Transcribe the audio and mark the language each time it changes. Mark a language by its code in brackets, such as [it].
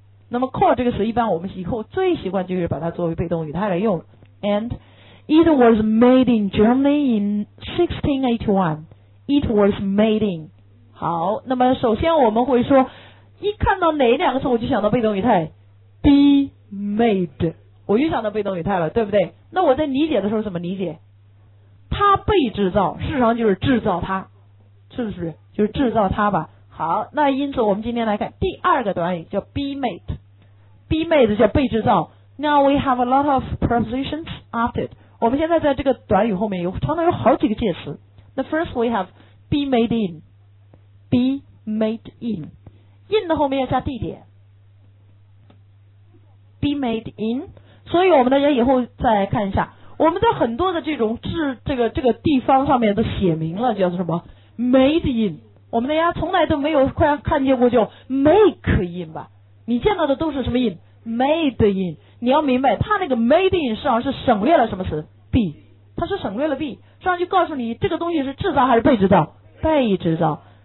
[zh] 那么 caught 这个词一般我们以后最习惯就是把它作为被动语态来用。 [en] And it was made in Germany in 1681. It was made in. [zh] 好，那么首先我们会说一看到哪两个词我就想到被动语态， be made， 我就想到被动语态了，对不对？那我在理解的时候怎么理解？它被制造，事实上就是制造它，是不是？就是制造它吧。好，那因此我们今天来看第二个短语叫 be made， be made 叫被制造。 [en] Now we have a lot of prepositions after it。 [zh] 我们现在在这个短语后面有常常有好几个介词。 [en] The first we have be made in， be made in， in [zh] 的后面要加地点， [en] be made in。 [zh] 所以我们大家以后再看一下，我们在很多的这种这个地方上面都写明了叫什么 made in， 我们大家从来都没有快看见过叫 make in 吧，你见到的都是什么 in， made in。你要明白它那个 made in 实际上是省略了什么词， be， 它是省略了 be， 实际上就告诉你这个东西是制造还是被制造，被制造。